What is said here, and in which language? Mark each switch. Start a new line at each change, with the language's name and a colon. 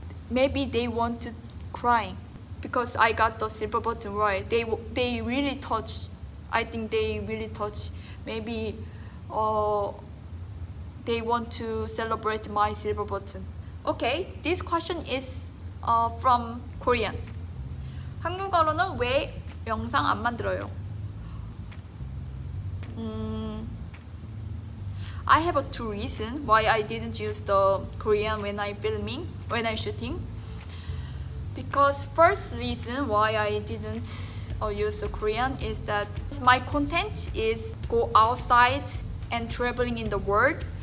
English: Maybe they want to cry because I got the silver button, right? They really touch. I think they really touch. Maybe they want to celebrate my silver button. Okay, this question is from Korean.
Korean: 한국어로는 왜 영상 안 만들어요?
English: I have two reasons why I didn't use the Korean when I filming, when I shooting. Because first reason why I didn't use the Korean is that my content is go outside and traveling in the world.